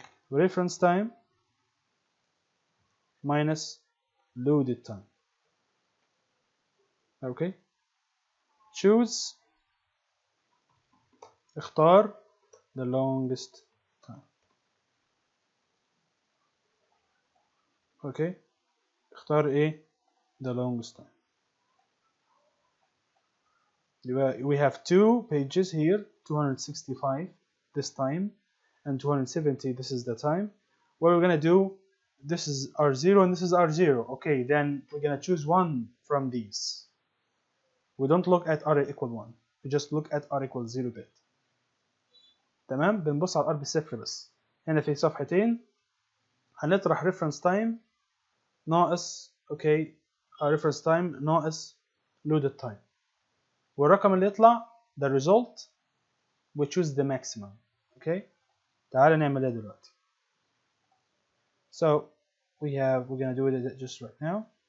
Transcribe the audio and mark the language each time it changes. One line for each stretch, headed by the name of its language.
English: Reference time minus loaded time. Okay. Choose.
Arabic: اختار
English: the longest.
Arabic: Okay, اختار ايه?
English: The longest time. We have two pages here, 265 this time, and 270 this is the time. What we're gonna do, this is R0 and this is R0. Okay, then we're gonna choose one from these. We don't look at R equal 1, we just look at R equal 0 bit.
Arabic: تمام? بنبص على R بالصفر بس. هنا في صفحتين, هنطرح reference time. ناقص اوكي reference time ناقص loaded time والرقم اللي يطلع
English: the result we choose the maximum.
Arabic: اوكي تعال نعمل ده دلوقتي.
English: So we're gonna do it just right now.